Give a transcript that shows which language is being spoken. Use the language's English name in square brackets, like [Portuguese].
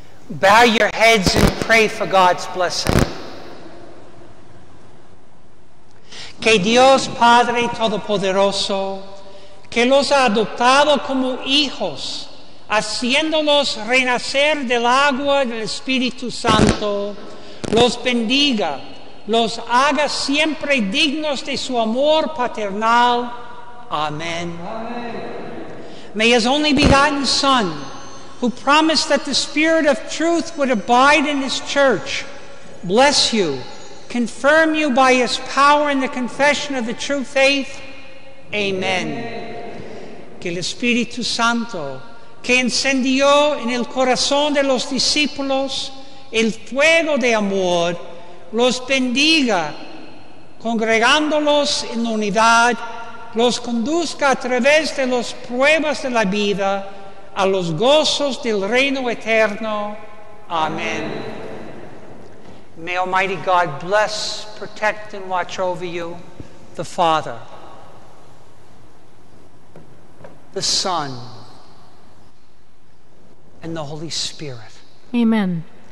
[English] Bow your heads and pray for God's blessing. [Spanish] Que Dios Padre Todopoderoso, que los ha adoptado como hijos, haciéndolos renacer del agua del Espíritu Santo, los bendiga, los haga siempre dignos de su amor paternal. [English] Amen. Amen. May his only begotten Son, who promised that the Spirit of truth would abide in his church, bless you, confirm you by his power in the confession of the true faith. Amen. [Spanish] Que el Espíritu Santo, que encendió en el corazón de los discípulos el fuego de amor, los bendiga, congregándolos en la unidad, los conduzca a través de las pruebas de la vida a los gozos del reino eterno. [English] Amen. May Almighty God bless, protect, and watch over you, the Father, the Son, and the Holy Spirit. Amen.